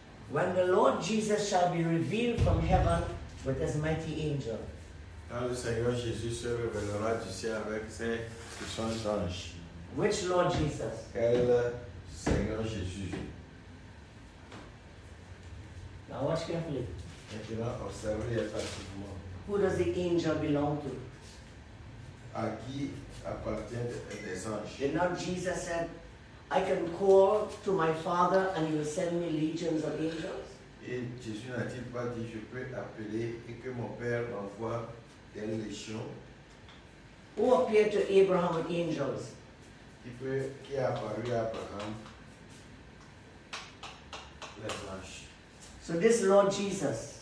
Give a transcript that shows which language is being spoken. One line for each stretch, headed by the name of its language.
English: When the Lord Jesus shall be revealed from heaven with his mighty angel.
French: Quand le Seigneur Jésus se révélera du ciel avec ses anges.
English: Which Lord Jesus?
French: Quel Seigneur Jésus?
English: Now watch carefully.
French: Maintenant, observez attentivement.
English: Who does the angel belong to?
French: À qui appartient des anges.
English: Did not Jesus said, I can call to my Father and you will send me legions of angels?
French: Et Jésus n'a-t-il pas dit, je peux appeler et que mon Père m'envoie des légions?
English: Who appeared to Abraham with angels?
French: Qui a apparu à Abraham? Les anges.
English: So this Lord Jesus.